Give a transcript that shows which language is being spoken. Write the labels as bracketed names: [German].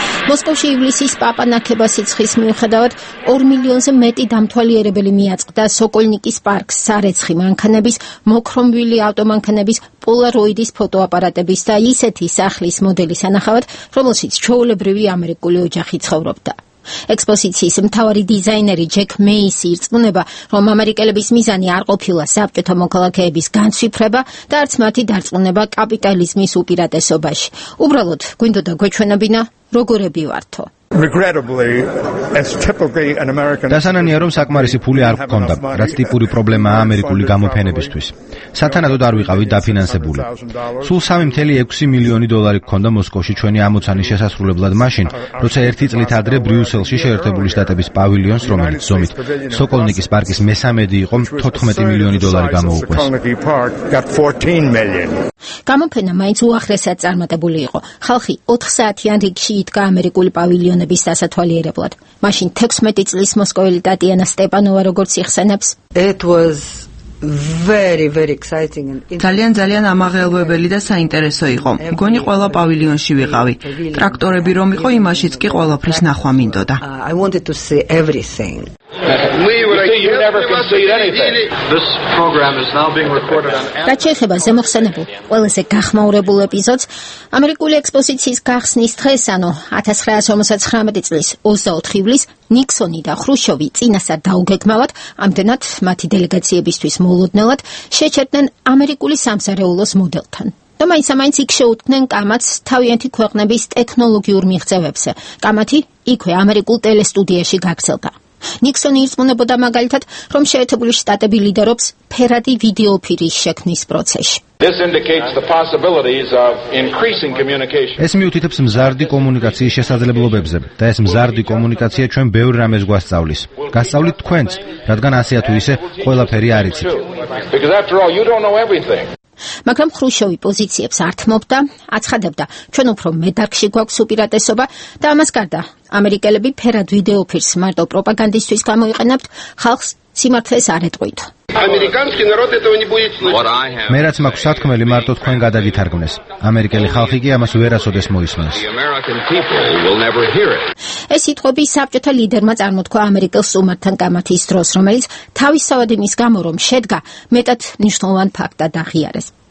[Georgian] მოსკოვში ივლისის პაპა ნაკებასიცხის მიუხედავად 2 მილიონზე მეტი დამთვალიერებელი მიაწყდა სოკოლნიკის პარკს სარეცხი მანქანების, მოქრომვილი ავტომანქანების, პოლაროიდის ფოტოაპარატების და ისეთი სახლის მოდელის ანახავად, რომელშიც ჩვეულებრივი ამერიკული ოჯახი ცხოვრობდა. ექსპოზიციის მთავარი დიზაინერი ჯეკ მეისი ირწმუნება, რომ ამერიკელების მიზანი არ ყოფილა საბჭოთა მოქალაქეების განცვიფრება და არც მათი დარწმუნება კაპიტალიზმის უპირატესობაში. უბრალოდ გვინდოდა გვეჩვენებინა, როგორები ვართო. [English] Regrettably, as typically an American, [Georgian] დასანანია რომ საკმარისი ფული არ გქონდა, რაც ტიპური პრობლემაა ამერიკული გამოფენებისთვის. სათანადოდ არ ვიყავი დაფინანსებული. სულ 3.6 მილიონი დოლარი გქონდა მოსკოვში ჩვენი ამოცანის შესასრულებლად მაშინ, როცა ერთი წლით ადრე ბრიუსელში შეერთებული შტატების პავილიონს, რომელიც ზომით სოკოლნიკის პარკის მესამედი იყო, 14 მილიონი დოლარი გამოუყვეს. გამოფენა მაინც უახრესად წარმატებული იყო. ხალხი 4 საათიან რიგში იდგა ამერიკული პავილიონების დასათვალიერებლად. მაშინ 16 წლის მოსკოველი ტატიანა სტეპანოვა როგორც იხსენებს. [English] It was very very exciting and [Georgian] ძალიან ძალიან ამაღელვებელი და საინტერესო იყო. მგონი ყველა პავილიონში ვიყავი. ტრაქტორები რომ იყო, იმაშიც კი ყველაფრის ნახვა მინდოდა. [English] I wanted to see everything. [Georgian] გაჩეხება ზემოხსენებულ ყველაზე გახმაურებულ ეპიზოდს ამერიკული ექსპოზიციის გახსნის დღეს, ანუ 1959 წლის 24 ივლისს ნიქსონი და ხრუშოვი წინასად დაუგეგმავად, ამდენად მათი დელეგაციებისთვის მოულოდნელად შეჩერდნენ ამერიკული სამსარეულოს მოდელთან. და მაინც იქ შეუდგნენ კამათს თავიანთი ქვეყნების ტექნოლოგიურ მიღწევებზე. კამათი იქვე ამერიკულ ტელესტუდიაში გაგრძელდა. ნიქსონი ირწმუნებოდა მაგალითად, რომ შეერთებული შტატები ლიდერობს ფერადი ვიდეოფირის შექმნის პროცესში. [English] This indicates the possibilities of increasing communication. [Georgian] ეს მიუთითებს მზარდი კომუნიკაციის შესაძლებლობებზე და ეს მზარდი კომუნიკაცია ჩვენ ბევრ რამეს გვასწავლის. გასწავლით თქვენც, რადგან ასეა თუ ისე ყველაფერი არ იცით. [English] Because after all, you don't know everything. [Georgian] მაგრამ ხრუშოვი პოზიციებს ართმობდა, აცხადებდა, ჩვენ უფრო მედარგში გვაქვს უპირატესობა და ამას გარდა, ამერიკელები ფერად ვიდეოფირს მარტო პროპაგანდისთვის გამოიყენებთ, ხალხს სიმართლეს არ ეტყვით. [Russian] Американский народ этого не будет слышать. [Georgian] მე რაც მაქვს სათქმელი მარტო თქვენ გადაგითარგმნეს. ამერიკელი ხალხი კი ამას ვერასოდეს მოისმენს. ეს სიტყვები საბჭოთა ლიდერმა წარმოთქვა ამერიკელ სტუმართან კამათის დროს, რომელიც თავის სავადინის გამო რომ შედგა, მეტად მნიშვნელოვან ფაქტად აღიარეს.